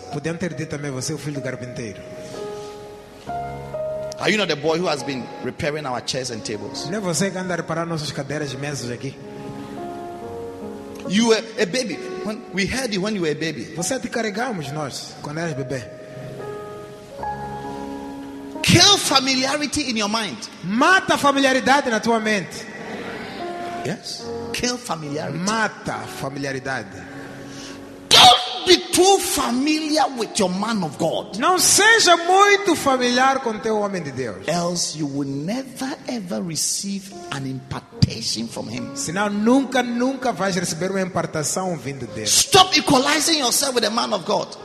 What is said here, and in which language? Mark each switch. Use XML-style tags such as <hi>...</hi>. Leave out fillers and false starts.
<pt>Podiam ter dito também você é o filho do carpinteiro.</pt> <en>Are you not the boy who has been repairing our chairs and tables?</en> <pt>Não é você que anda a reparar nossas cadeiras e mesas aqui?</pt> <en>You were a baby. When we heard you when you were a baby.</en> <pt>Você te carregamos nós quando eras bebê.</pt> <en>Kill familiarity in your mind.</en> <pt>Mata a familiaridade na tua mente.</pt> <en>Yes. Kill familiarity.</en> <pt>Mata a familiaridade.</pt> <en>Be too familiar with your man of God.</en> <pt>Não seja muito familiar com teu homem de Deus.</pt> <en>Else you will never ever receive an impartation from him.</en> <pt>Senão nunca, nunca vais receber uma impartação vindo dele.</pt> <en>Stop equalizing yourself with the man of God.</en>